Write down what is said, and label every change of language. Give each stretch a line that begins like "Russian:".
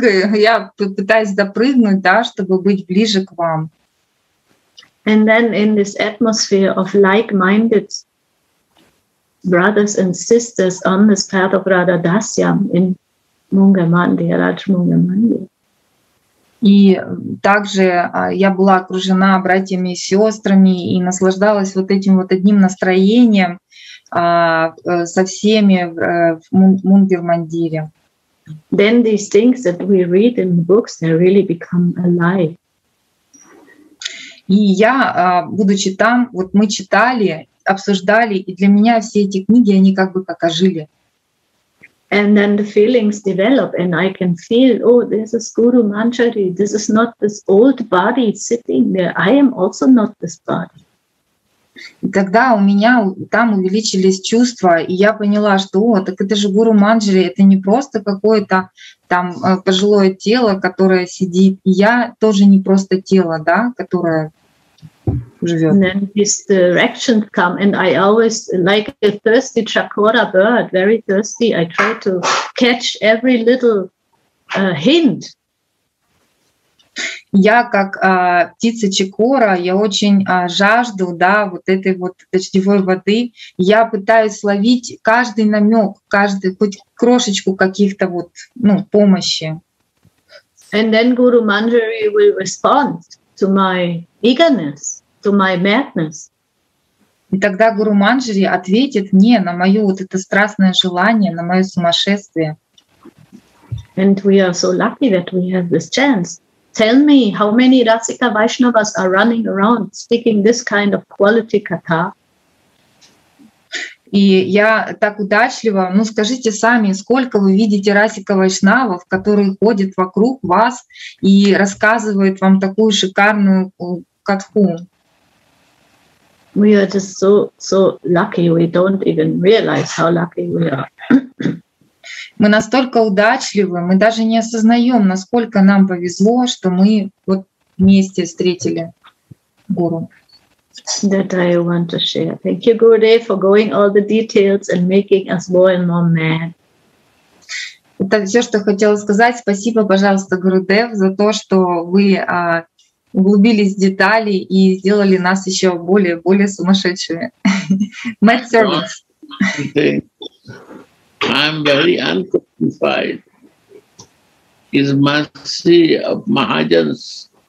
Russian: Я пытаюсь допрыгнуть, да, чтобы быть ближе к вам.
English: And then in this atmosphere of like-minded brothers and sisters on this path of Radha Dasyam in Munga Mandir, Raj Munga Mandir.
Russian: И также я была окружена братьями и сестрами и наслаждалась вот этим вот одним настроением со всеми в Мунгер Мандире.
English: Then these things that we read in the books, they really become alive.
Russian: И я, будучи там, вот мы читали, обсуждали, и для меня все эти книги, они как бы как ожили.
English: And then the feelings develop, and I can feel, oh, this is Guru Manjari, this is not this old body sitting there, I am also not this body.
Russian: И тогда у меня там увеличились чувства, и я поняла, что, о, так это же Гуру Манджари, это не просто какое-то там пожилое тело, которое сидит. И я тоже не просто тело, да, которое живет.
English: And then this direction come, and I always, like a thirsty chakora bird, very thirsty, I try to catch every little hint.
Russian: Я как птица чакора, я очень жажду, да, вот этой вот дождевой воды. Я пытаюсь словить каждый намек, каждый хоть крошечку каких-то вот, ну, помощи.
English: And then Guru Manjari will respond to my eagerness, to my madness.
Russian: И тогда Гуру Манджари ответит мне на мое вот это страстное желание, на мое сумасшествие.
English: And we are so lucky that we have this chance. Tell me, how many Rasika Vaishnavas are running around speaking this kind of quality katha?
Russian: И я так удачлива. Ну, скажите сами, сколько вы видите Расика Вайшнавов, которые ходят вокруг вас и рассказывают вам такую шикарную катху?
English: We are just so, so lucky, we don't even realize how lucky we are.
Russian: Мы настолько удачливы, мы даже не осознаем, насколько нам повезло, что мы вот вместе встретили Гуру.
English: That I want to share. Thank you, Gurudev, for going all the details and making us more and more mad.
Russian: Это все, что хотела сказать. Спасибо, пожалуйста, Гурудев, за то, что вы углубились в детали и сделали нас еще более и более сумасшедшими.
English: Mad service. I'm very unqualified. It's mercy of Mahajans.